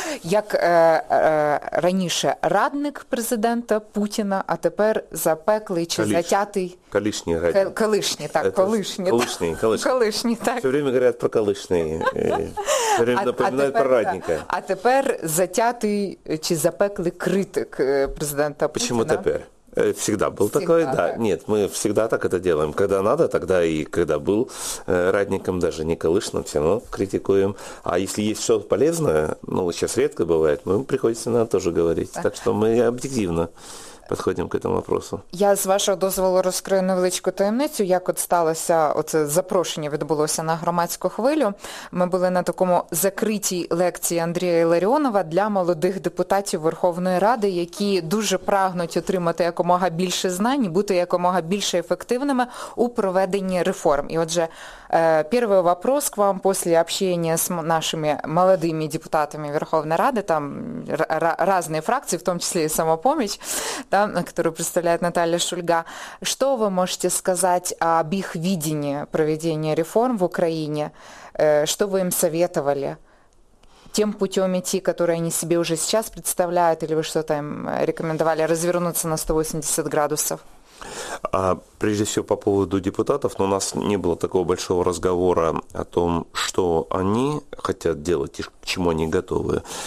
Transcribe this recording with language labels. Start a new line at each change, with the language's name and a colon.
Ukrainian: Як раніше радник президента Путіна, а тепер запеклий чи затятий... Колишній радник. Колишній.
Russian: Все время говорят
Ukrainian: про колишній.
Russian: Все время напоминають про радника.
Ukrainian: А тепер... затятый чи запеклий критик президента Путіна.
Russian: Почему тепер? Всегда был такой, да. Нет, мы всегда так это делаем. Когда надо, тогда и когда был радником, даже не колышным, все равно критикуем. А если есть что-то полезное, ну, сейчас редко бывает, мы приходится на это тоже говорить. Так что мы объективно
Ukrainian: підходимо до цього питання. Я, з вашого дозволу, розкрию невеличку таємницю, як от сталося, оце запрошення відбулося на громадську хвилю. Ми були на такому закритій лекції Андрія Іларіонова для молодих депутатів Верховної Ради, які дуже прагнуть отримати якомога більше знань, бути якомога більше ефективними у проведенні реформ. І отже, перший
Russian: вопрос к вам
Ukrainian: після
Russian: общения
Ukrainian: з нашими молодими депутатами Верховної Ради, там різні фракції, в тому числі і «Самопоміч», да,
Russian: которую представляет
Ukrainian: Наталья Шульга.
Russian: Что вы можете сказать об их видении проведения реформ в Украине? Что вы им советовали? Тем путем идти, который они себе уже сейчас представляют, или вы что-то им рекомендовали развернуться на 180 градусов? А прежде всего по поводу депутатов, но у нас не было такого большого разговора о том, что они хотят делать и к чему они готовы.